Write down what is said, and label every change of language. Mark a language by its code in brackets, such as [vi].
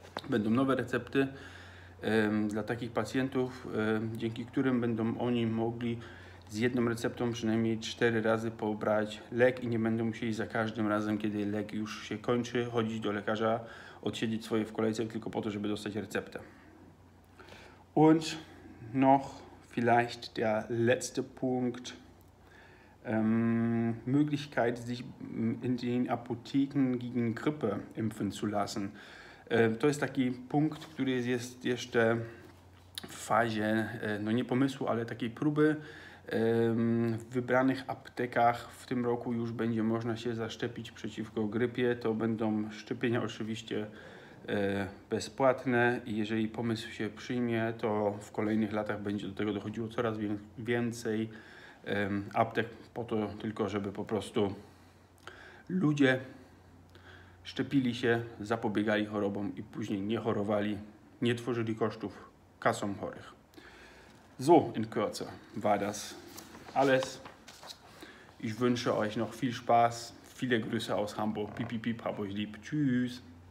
[pl] Będą nowe recepty dla takich pacjentów, dzięki którym będą oni mogli z jedną receptą przynajmniej 4 razy pobrać lek i nie będą musieli za każdym razem, kiedy lek już się kończy, chodzić do lekarza, odsiedzieć swoje w kolejce tylko po to, żeby dostać receptę. [de] Und noch vielleicht der letzte Punkt. Möglichkeit, sich in den Apotheken gegen Grippe impfen zu lassen. [pl] To jest taki punkt, który jest jeszcze w fazie, no nie pomysłu, ale takiej próby. W wybranych aptekach w tym roku już będzie można się zaszczepić przeciwko grypie. To będą szczepienia oczywiście bezpłatne i jeżeli pomysł się przyjmie, to w kolejnych latach będzie do tego dochodziło coraz więcej aptek po to tylko, żeby po prostu ludzie szczepili się, zapobiegali chorobom i później nie chorowali, nie tworzyli kosztów kasom chorych. [de] So, in Kürze war das alles. Ich wünsche euch noch viel Spaß. Viele Grüße aus Hamburg. Piep, piep, piep, hab euch lieb. Tschüss.